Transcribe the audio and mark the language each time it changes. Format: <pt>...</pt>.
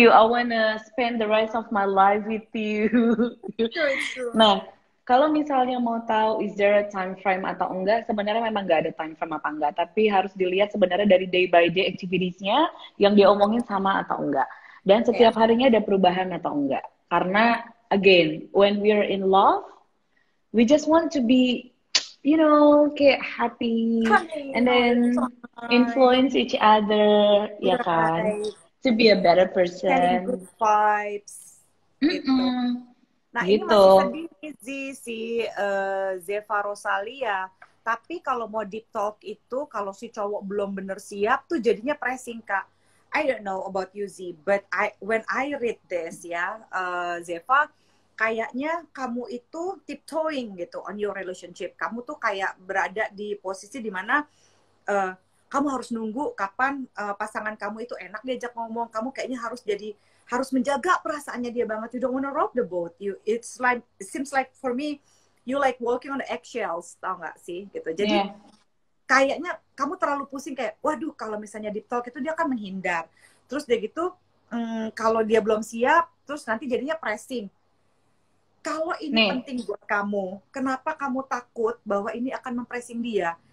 <en>you, I wanna spend the rest of my life with you. True, true.</en> <id>Nah, kalau misalnya mau tahu</id> <en>is there a time frame</en> <id>atau enggak, sebenarnya memang enggak ada</id> <en>time frame</en> <id>apa enggak, tapi harus dilihat sebenarnya dari</id> <en>day by day activities-nya</en> <id>yang dia omongin sama atau enggak. Dan</id> <en>Yeah.</en> <id>setiap harinya ada perubahan atau enggak. Karena,</id> <en>again, when we are in love, we just want to be, you know,</en> <id>kayak</id> <en>happy, and then influence each other,</en> <id>ya kan?</id> <en>Right. To be a better Sharing good vibes</en> <id>gitu. Nah, ini Gitu. masih sedih sih si Zeva Rosalia. Tapi kalau mau deep talk itu, kalau si cowok belum bener siap tuh jadinya</id> <en>pressing,</en> <id>Kak.</id> <en>I don't know about you, Z, but I when I read this</en> <id>ya,</id> <en>Zeva,</en> <id>kayaknya kamu itu</id> <en>tiptoeing</en> <id>gitu</id> <en>on your relationship.</en> <id>Kamu tuh kayak berada di posisi dimana kamu harus nunggu kapan pasangan kamu itu enak diajak ngomong. Kamu kayaknya harus jadi harus menjaga perasaannya dia banget.</id> <en>You don't wanna rock the boat. You it's like it seems like for me you like walking on the eggshells,</en> <id>tau nggak sih gitu. Jadi</id> <en>Yeah.</en> <id>kayaknya kamu terlalu pusing kayak, waduh kalau misalnya deep talk itu dia akan menghindar. Terus dia gitu kalau dia belum siap, terus nanti jadinya pressing. Kalau ini Nih. penting buat kamu, kenapa kamu takut bahwa ini akan mempressing dia?</id>